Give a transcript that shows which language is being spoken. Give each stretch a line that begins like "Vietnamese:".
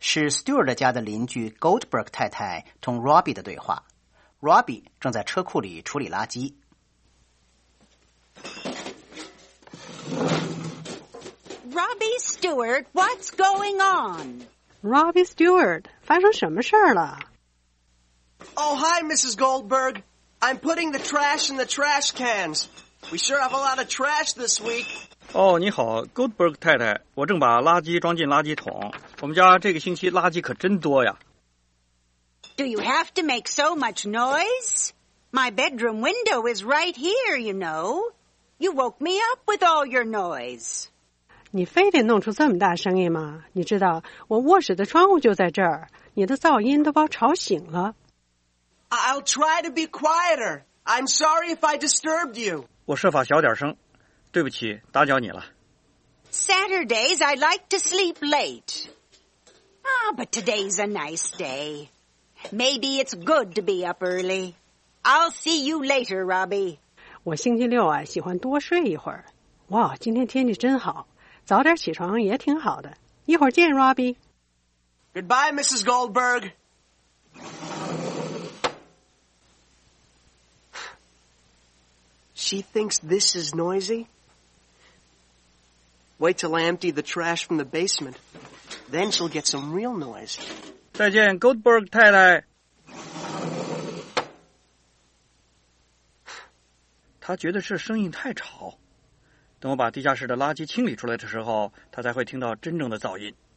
Chinese: Stewart 家的邻居 Goldberg 太太同 Robbie 的对话。 Robbie 正在车库里处理垃圾。
English: Robbie Stewart, what's going on?
Chinese: Robbie Stewart, 发生什么事了
English: ？Oh, hi, Mrs. Goldberg. I'm putting the trash in the trash cans. We sure have a lot of trash this week.
Chinese: 哦，你好 ，Goldberg 太太，我正把垃圾装进垃圾桶。我们家这个星期垃圾可真多呀。
English: Do you have to make so much noise? My bedroom window is right here, you know. You woke me up with all your noise.
Chinese: 你非得弄出这么大声音吗？你知道我卧室的窗户就在这儿，你的噪音都把我吵醒了。
English: I'll try to be quieter. I'm sorry if I disturbed you.
Chinese: 我设法小点声。对不起，打搅你了。
English: Saturdays I like to sleep late. Ah, but today's a nice day. Maybe it's good to be up early. I'll see you later, Robbie.
Chinese: 我星期六啊，喜欢多睡一会儿。哇，今天天气真好，早点起床也挺好的。一会儿见 ，Robbie.
English: Goodbye, Mrs. Goldberg. She thinks this is noisy? Wait till I empty the trash from the basement. Then she'll get some real noise.
Chinese: 再见 ,Goldberg 太太。她觉得这声音太吵。等我把地下室的垃圾清理出来的时候，她才会听到真正的噪音。